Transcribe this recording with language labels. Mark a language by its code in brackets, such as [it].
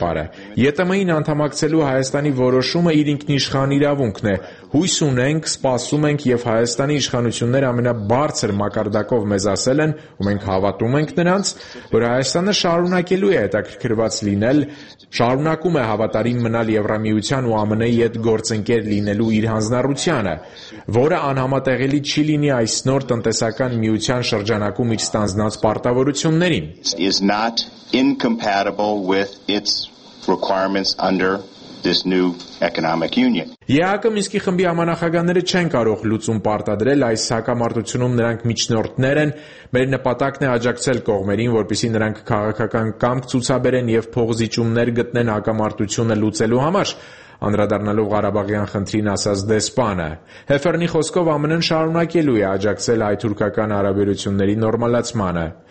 [hy] ճանապարհը։ ԵՏՄ-ին անդամակցելու Հայաստանի որոշումը իր ինքնիշխան իրավունքն է։ Հույս ունենք, սպասում ենք եւ Հայաստանի իշխանությունները ամենաբարձր մակարդակով մեզ ասել են, ու մենք հավատում ենք նրանց, որ Հայաստանը շարունակելու է հետաքրքրված լինել, շարունակում է հավատարիմ մնալ Եվրամիության ու ԱՄՆ-ի հետ գործընկեր լինելու իր հանձնառությանը, որը անհամատեղելի չի լինի այս նոր տնտեսական միության շրջանակում իր ստանձնած պարտավորություններին։ [en] Incompatible with its requirements under this new economic union. [hy] ԵԱԿ-ը Մինսկի խմբի համանախագահները չեն կարող լուծում պարտադրել, այս հակամարտությունում նրանք միջնորդներ են, մեր նպատակն է աջակցել կողմերին, որպեսզի նրանք քաղաքական կամք ցուցաբերեն եւ փողզիջումներ գտնեն հակամարտությունը լուծելու համար, անդրադառնալով Ղարաբաղյան խնդրին, ասաց դեսպանը։ Հեֆերնի խոսքով ԱՄՆ-ն շարունակելու է աջակցել հայ-թուրքական հարաբերությունների նորմալացմանը։